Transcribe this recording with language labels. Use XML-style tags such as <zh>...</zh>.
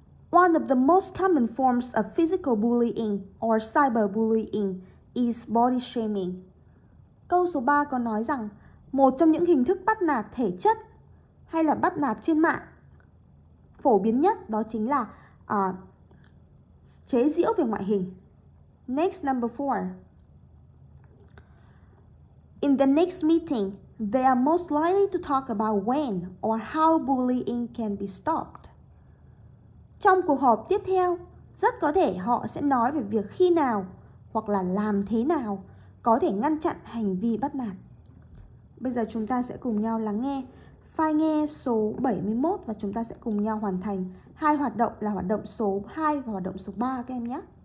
<en>One of the most common forms of physical bullying or cyberbullying is body shaming.</en> <vi>Câu số 3 có nói rằng một trong những hình thức bắt nạt thể chất hay là bắt nạt trên mạng. Phổ biến nhất đó chính là chế giễu về ngoại hình.</vi> <en>Next, number 4. In the next meeting, they are most likely to talk about when or how bullying can be stopped.</en> <vi>Trong cuộc họp tiếp theo, rất có thể họ sẽ nói về việc khi nào hoặc là làm thế nào có thể ngăn chặn hành vi bắt nạt. Bây giờ chúng ta sẽ cùng nhau lắng nghe file nghe số 71 và chúng ta sẽ cùng nhau hoàn thành hai hoạt động là hoạt động số 2 và hoạt động số 3 các em nhé.</vi>